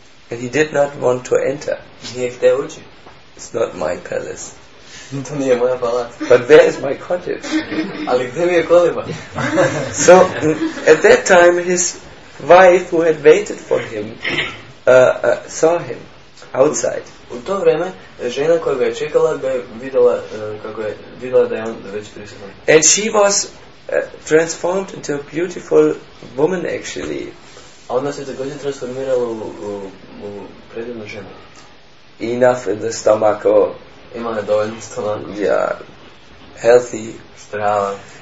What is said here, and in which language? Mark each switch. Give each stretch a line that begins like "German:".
English: And he did not want to enter.
Croatian: Nije htio ući.
English: It's not my palace.
Croatian: To nije moja palaca.
English: But where is my cottage?
Croatian: Ali gdje mi je koliba?
English: So, at that time, his wife, who had waited for him, saw him. Outside.
Croatian: U to vrijeme žena koja ga je čekala ga je vidjela kako je vidjela da je on već prisutan.
English: And she was transformed into a beautiful woman actually.
Croatian: A ona se također transformirala u predivnu ženu.
English: Enough in the stomach.
Croatian: Imala je dovoljno stomaka.
English: Yeah. Healthy.
Croatian: Strava.